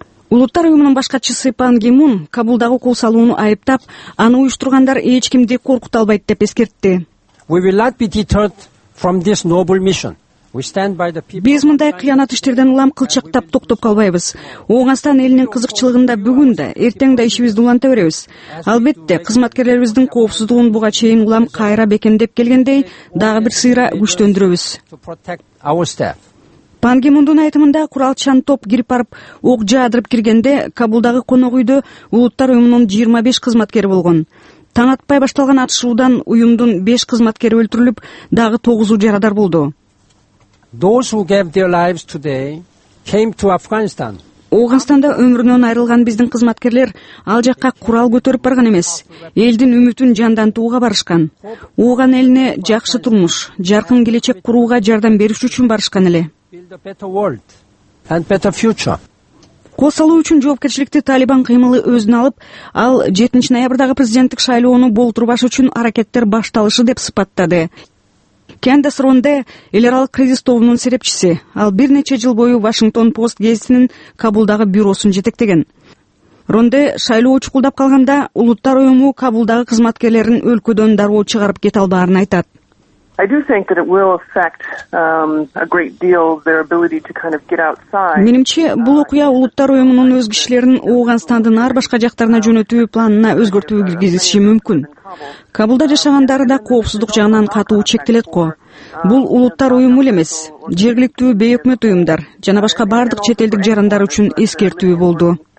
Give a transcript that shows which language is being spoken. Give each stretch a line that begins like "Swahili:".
Kyrgyz: Улуттар уюмунун баш катчысы Пан Ги Мун Кабулдагы кол салууну айыптап, аны уюштургандар эч кимди коркута албайт деп эскертти.
English: We will not be deterred from this noble mission. We stand by the people.
Kyrgyz: Биз мындай кыянат иштерден улам кылчактап токтоп калбайбыз. Ооганстан элинин кызыкчылыгында бүгүн да, эртең да ишибизди уланта беребиз. Албетте, кызматкерлерибиздин коопсуздугун буга чейин улам кайра бекемдеп келгендей, дагы бир сыйра күчтөндүрөбүз. Пан Ги Мундун айтымында куралчан топ кирип барып, ок жаадырып киргенде Кабулдагы конок үйдө Улуттар уюмунун 25 кызматкери болгон. Таң атпай башталган атышуудан уюмдун 5 кызматкери өлтүрүлүп, дагы 9 жарадар болду.
English: Those who gave their lives today came to Afghanistan.
Kyrgyz: Ооганстанда өмүрүнөн айрылган биздин кызматкерлер ал жакка курал көтөрүп барган эмес. Элдин үмүтүн жандантууга барышкан. Ооган элине жакшы турмуш, жаркын келечек курууга жардам бериш үчүн барышкан эле. Кол салуу үчүн жоопкерчиликти Талибан кыймылы өзүнө алып, ал 7 ноябрдагы президенттик шайлоону болтурбаш үчүн аракеттер башталышы деп сыпаттады. Кендис Ронде эл аралык кризис тобунун серепчиси. Ал бир нече жыл бою Вашингтон Пост гезитинин Кабулдагы бюросун жетектеген. Ронде шайлоо чукулдап калганда Улуттар уюму Кабулдагы кызматкерлерин өлкөдөн дароо чыгарып кете албаарын айтат.
English: I do think that it will affect a great deal their ability to kind of get outside.
Kyrgyz: Менимче бул окуя Улуттар уюмунун өз кишилерин Ооганстандын ар башка жактарына жөнөтүү планына өзгөртүү киргизиши мүмкүн. Кабулда жашагандары да коопсуздук жагынан катуу чектелет ко. Бул Улуттар уюму эле эмес, жергиликтүү бейөкмөт уюмдар жана башка бардык чет элдик жарандар үчүн эскертүү болду.